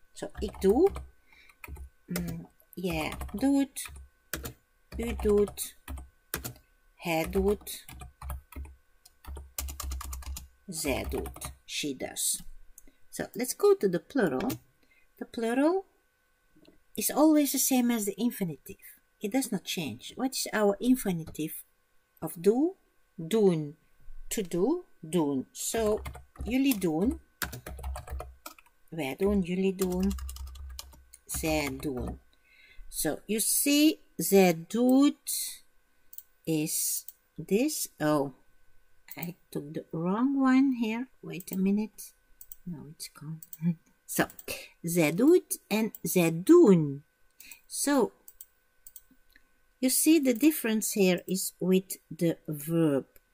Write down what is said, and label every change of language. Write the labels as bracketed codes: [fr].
[nl] So ik doe, jij doet, u doet, hij doet, zij doet, [en] she does. So let's go to the plural. The plural is always the same as the infinitive. It does not change. What is our infinitive of do? [nl] Doen, [en] to do, [nl] doen. So, jullie doen, wij doen, jullie doen, zij doen. [en] So, you see, [nl] zij doet [en] is This, oh, I took the wrong one here. Wait a minute. No, it's gone. [nl] So, ze doet and ze doen. [en] So, you see the difference here is with the verb.